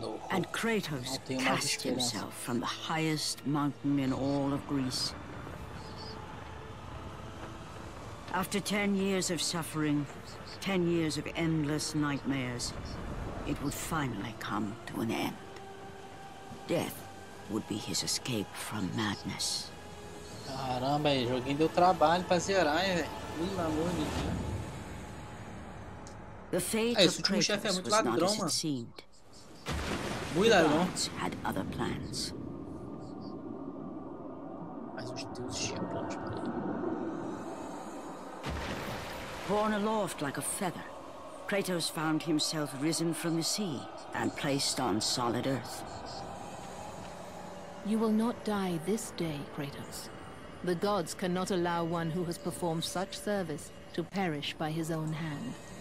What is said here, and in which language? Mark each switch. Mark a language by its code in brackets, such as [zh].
[en] And Kratos cast himself from the highest mountain in all of Greece. After 10 years of suffering, 10 years of endless nightmares, it would finally come to an end. Death would be his escape from madness. [pt] Caramba, aí, joguinho deu trabalho pra zerar, hein, velho. Pelo amor de Deus. [en] The fate of Kratos was not as it seemed. [pt] Muito ladrão. [en] The gods had other plans. [pt] Mas os deuses tinham planos para ele. [en] Borne aloft like a feather, Kratos found himself risen from the sea and placed on solid earth. You will not die this day, Kratos. The gods cannot allow one who has performed such service to perish by his own hand.